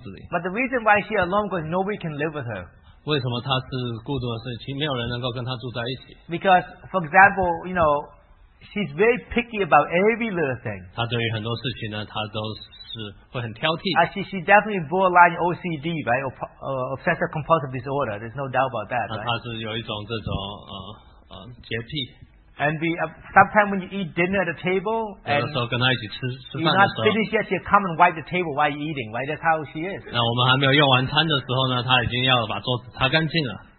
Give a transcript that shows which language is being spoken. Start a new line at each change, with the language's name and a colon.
English: But the reason why she's alone is because nobody can live with her.
Chinese: 为什么她是孤独的事情,没有人能够跟她住在一起?
English: Because, for example, you know, she's very picky about every little thing.
Chinese: 她对于很多事情呢,她都是会很挑剔。
English: She definitely borderline OCD, right? Obsessive compulsive disorder. There's no doubt about that, right?
Chinese: 她是有一种这种, 洁癖。
English: And sometimes when you eat dinner at a table, and you're not finished yet, you come and wipe the table while you're eating, right? That's how she is.
Chinese: 那我们还没有用完餐的时候呢, 她已经要把桌子擦干净了。